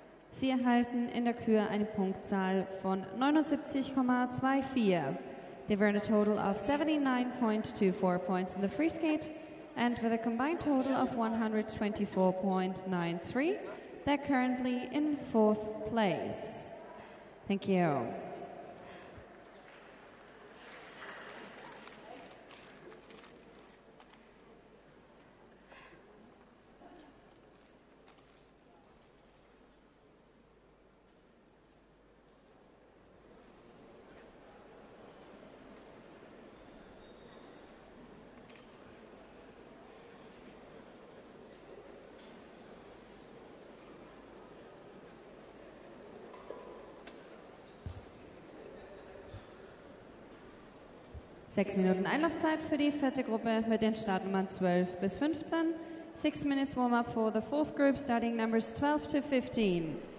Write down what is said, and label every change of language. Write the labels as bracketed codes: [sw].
[de] Sie erhalten in der Kür eine Punktzahl von 79,24. [en] They've earned a total of 79.24 points in the free skate. And with a combined total of 124.93, they're currently in fourth place. Thank you. [de] Sechs Minuten Einlaufzeit für die vierte Gruppe mit den Startnummern 12 bis 15. [en] 6 minutes warm-up for the fourth group, starting numbers 12 to 15.